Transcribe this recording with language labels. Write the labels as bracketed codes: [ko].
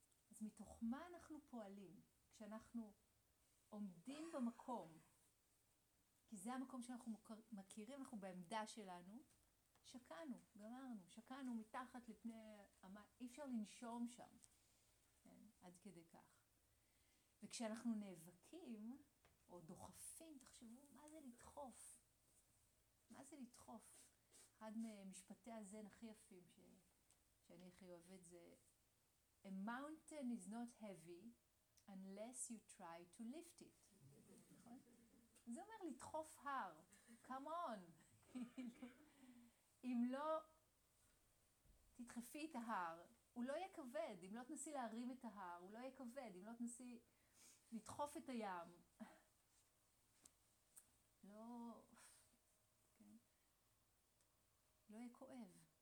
[he] אז מתוך מה אנחנו פועלים? כשאנחנו עומדים במקום, כי זה המקום שאנחנו מכירים, אנחנו בעמדה שלנו, שקענו, גמרנו, שקענו מתחת לפני המים, אי אפשר לנשום שם, כן? עד כדי כך. וכשאנחנו נאבקים או דוחפים, תחשבו, מה זה לדחוף? מה זה לדחוף? אחד ממשפטי הזן הכי יפים שאני הכי אוהבת זה, [en] A mountain is not heavy unless you try to lift it. [he] נכון? זה אומר לדחוף הר, [en] come on! [he] אם לא תדחפי את ההר, הוא לא יהיה כבד. אם לא תנסי להרים את ההר, הוא לא יהיה כבד. אם לא תנסי לדחוף את הים, לא, כן? לא יהיה כואב.